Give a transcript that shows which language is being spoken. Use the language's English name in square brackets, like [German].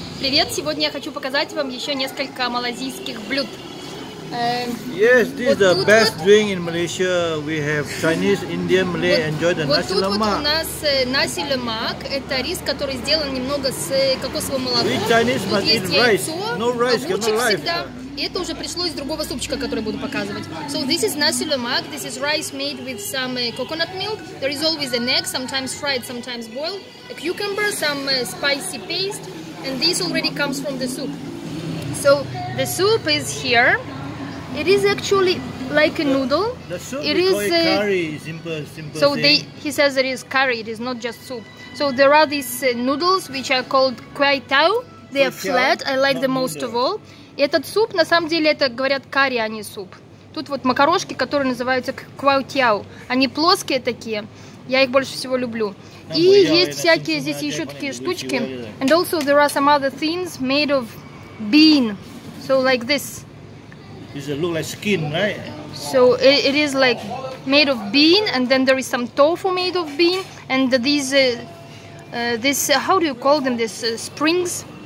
[Russian] Привет, сегодня я хочу показать вам еще несколько малазийских блюд. [English] Yes, this is the best drink in Malaysia. We have Chinese, Indian, Malay, enjoy the nasi lemak. [Russian] Вот тут у нас nasi lemak, это рис, который сделан немного с кокосовым молоком. [English] We Chinese must eat rice, no rice, cannot live. [Russian] И это уже пришло из другого супчика, который буду показывать. [English] So this is nasi lemak. This is rice made with some coconut milk. There is always an egg, sometimes fried, sometimes boiled. A cucumber, some spicy paste. And this already comes from the soup. So the soup is here. It is actually like a noodle. The soup it is curry, simple so thing. He says it is curry, it is not just soup. So there are these noodles, which are called kuai tau. They are flat, I like the most of all. [Russian] И этот суп, на самом деле, это, говорят, карри, а не суп. Тут вот макарошки, которые называются куау тяу. Они плоские такие, я их больше всего люблю. И есть всякие здесь еще такие штучки. [English] And also there are some other things made of bean. So like this. It looks like skin, right? So it is like made of bean, and then there is some tofu made of bean. And these, how do you call them, these springs?